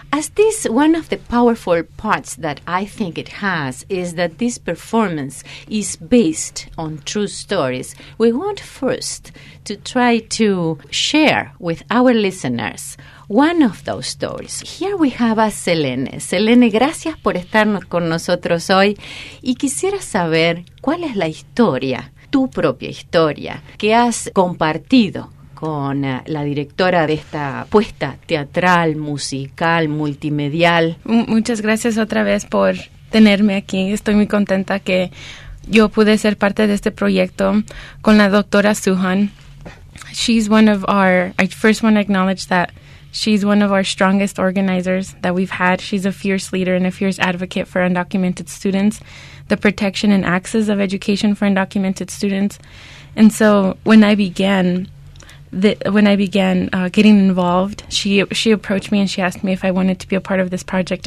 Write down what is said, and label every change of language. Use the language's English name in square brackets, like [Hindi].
[English] As this, one of the powerful parts that I think it has is that this performance is based on true stories. We want first to try to share with our listeners one of those stories. Here we have a Selene. [Spanish] Selene, gracias por estar con nosotros hoy. Y quisiera saber cuál es la historia, tu propia historia, que has compartido con la directora de esta puesta teatral, musical, multimedial. Muchas gracias otra vez por tenerme aquí. Estoy muy contenta que yo pude ser parte de este proyecto con la doctora Suhan. [English] She's one of our... I first want to acknowledge that she's one of our strongest organizers that we've had. She's a fierce leader and a fierce advocate for undocumented students, the protection and access of education for undocumented students. And so when I began getting involved, she approached me and she asked me if I wanted to be a part of this project.